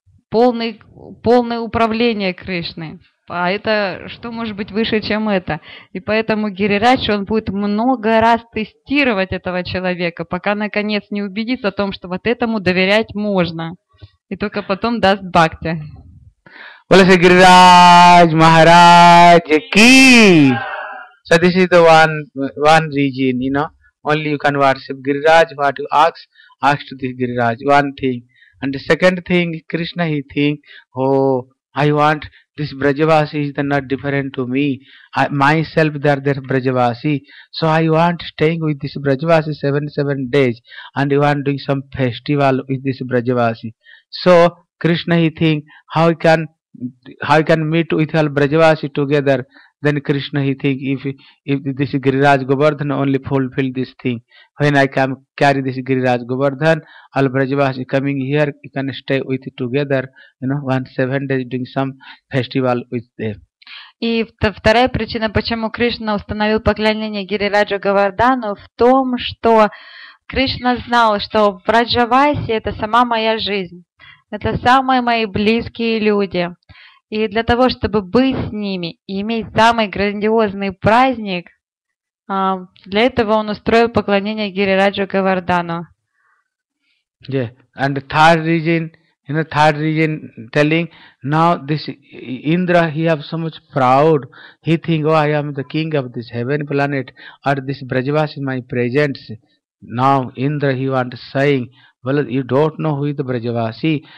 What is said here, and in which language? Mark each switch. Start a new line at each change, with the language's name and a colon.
Russian: Полное управление Кришной. А это что может быть выше, чем это? И поэтому Гирирадж, он будет много раз тестировать этого человека, пока наконец не убедится в том, что вот этому доверять можно. И только потом даст бхакти.
English: Well, say, Гирирадж Махарадж ки! So this is the one region, you know. Only you can worship Гирирадж, what you ask to this Гирирадж. One thing. And the second thing, Krishna, he think, I want this Brajavasi is not different to me. Myself, they are there Brajavasi. So I want staying with this Brajavasi 7 days. And I want doing some festival with this Brajavasi. So Krishna, he think, how can meet with all Brajavasi together? Then Krishna, he think, if this Giriraj Govardhan only fulfill this thing. When I come carry this Giriraj Govardhan, all Brajavasi coming here, you can stay with it together, you know, 1-7 days doing some festival with them.
Russian: И вторая причина, почему Кришна установил поклонение Гирираджу Говардхану, в том, что Кришна знал, что Брадживаси — это сама моя жизнь, это самые мои близкие люди. И для того, чтобы быть с ними и иметь самый грандиозный праздник, для этого он устроил поклонение Гирираджу Говардхану.
English: Yeah. And the third region, in the third region telling, now this Indra, he have so much proud. He think, I am the king of this heaven planet, or this Brajavasi is my presence. Now Indra, he want saying, well, you don't know who is the Brajavasi.